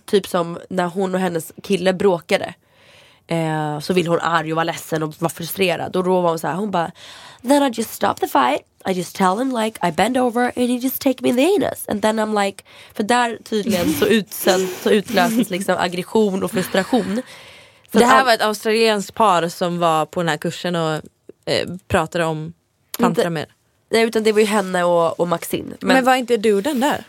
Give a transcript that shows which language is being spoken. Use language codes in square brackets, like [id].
[sv] Typ som när hon och hennes kille bråkade, så vill hon arg och vara ledsen och vara frustrerad. Då var hon så här, hon bara, [en] then I just stop the fight, I just tell him like I bend over and he just take me in the anus. And then I'm like, [sv] för där tydligen så, så utlöses liksom aggression och frustration. För det här var ett australiensk par som var på den här kursen och pratade om tantra med. Nej, utan det var ju henne och Maxine. Men var inte du den där?